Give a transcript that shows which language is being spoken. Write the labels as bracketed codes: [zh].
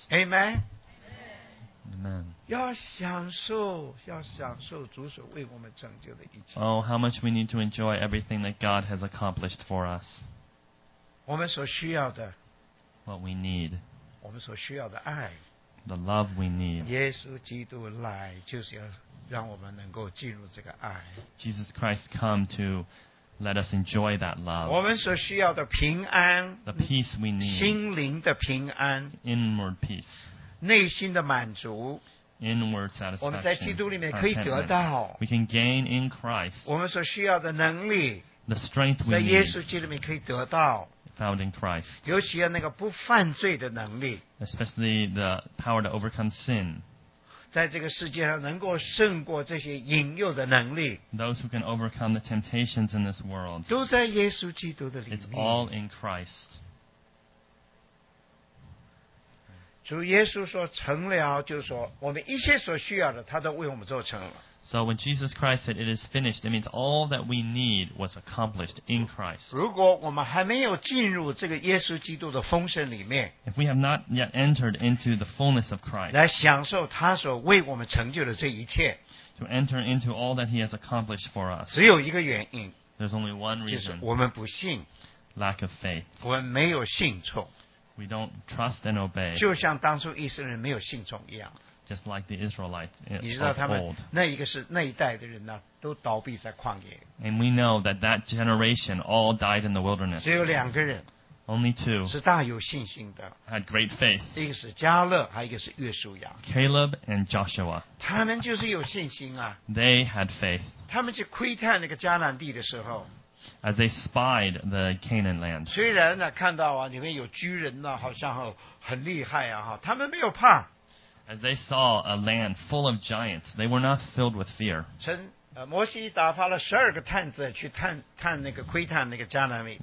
[en] Amen. Amen. [zh] 要享受主所为我们成就的一切。 [en] Oh, how much we need to enjoy everything that God has accomplished for us. [zh] 我们所需要的。 [en] What we need. [zh] 我们所需要的爱。 [en] The love we need. [zh] 耶稣基督来就是要让我们能够进入这个爱。 [en] Jesus Christ come to Let us enjoy that love. [zh] 我们所需要的平安, [en] the peace we need, [zh] 心灵的平安, [en] inward peace, [zh] 内心的满足, [en] inward satisfaction, [zh] 我们在基督里面可以得到, [en] we can gain in Christ, [zh] 我们所需要的能力, [en] the strength we need, [zh] 在耶稣基督里面可以得到, [en] found in Christ, [zh] 尤其要那个不犯罪的能力, [en] especially the power to overcome sin. [zh] 在这个世界上能够胜过这些引诱的能力 [en] Those who can overcome the temptations in this world [zh] 都在耶稣基督的里面 [en] It's all in Christ [zh] 主耶稣说成了就是说我们一切所需要的他都为我们做成了 [en] So when Jesus Christ said it is finished it means all that we need was accomplished in Christ [zh] 如果我们还没有进入这个耶稣基督的丰盛里面 [en] If we have not yet entered into the fullness of Christ [zh] 来享受他所为我们成就的这一切 [en] To enter into all that he has accomplished for us [zh] 只有一个原因 [en] There's only one reason [zh] 就是我们不信 [en] Lack of faith [zh] 我们没有信从 [en] We don't trust and obey [zh] 就像当初以色列人没有信从一样 [en] Just like the Israelites, old. And we know that that generation all died in the wilderness. [zh] 只有两个人 [en] Only two. [zh] 是大有信心的 [en] Had great faith. [zh] 一个是加勒，还一个是约书亚 [en] Caleb and Joshua. [zh] 他们就是有信心啊 [en] They had faith. [zh] 他们去窥探那个迦南地的时候 [en] As they spied the Canaan land. [zh] 虽然呢，看到啊，里面有巨人呢，好像很厉害啊，哈，他们没有怕。 [en] As they saw a land full of giants, they were not filled with fear. [zh] 摩西打发了十二个探子去探那个窥探那个迦南地。